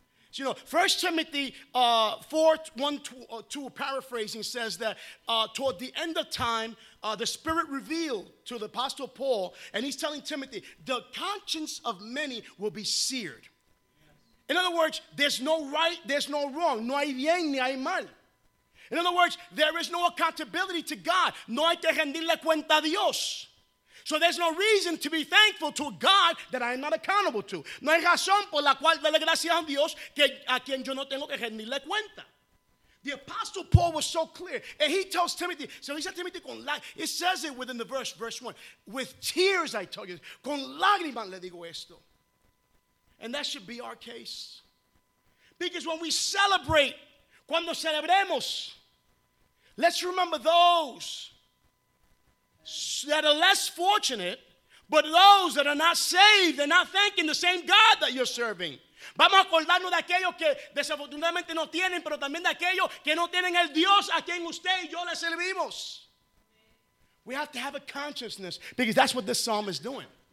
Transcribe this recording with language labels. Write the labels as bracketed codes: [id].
[en] So, you know, 1 Timothy 4:1-2, paraphrasing, says that toward the end of time, the Spirit revealed to the Apostle Paul, and he's telling Timothy, the conscience of many will be seared. In other words, there's no right, there's no wrong. [es] No hay bien ni hay mal. [en] In other words, there is no accountability to God. [es] No hay que rendirle cuenta a Dios. [en] So there's no reason to be thankful to a God that I am not accountable to. [es] No hay razón por la cual darle gracias a Dios que a quien yo no tengo que rendirle cuenta. [en] The Apostle Paul was so clear. And he tells Timothy, so he said Timothy [es] con lágrimas. [en] It says it within the verse 1. With tears, I tell you. [es] Con lágrimas le digo esto. [en] And that should be our case. Because when we celebrate, [es] cuando celebremos, [en] let's remember those that are less fortunate, but those that are not saved, they're not thanking the same God that you're serving. [es] Vamos a acordarnos de aquellos que desafortunadamente no tienen, pero también de aquellos que no tienen el Dios a quien usted y yo le servimos. [en] We have to have a consciousness, because that's what this psalm is doing.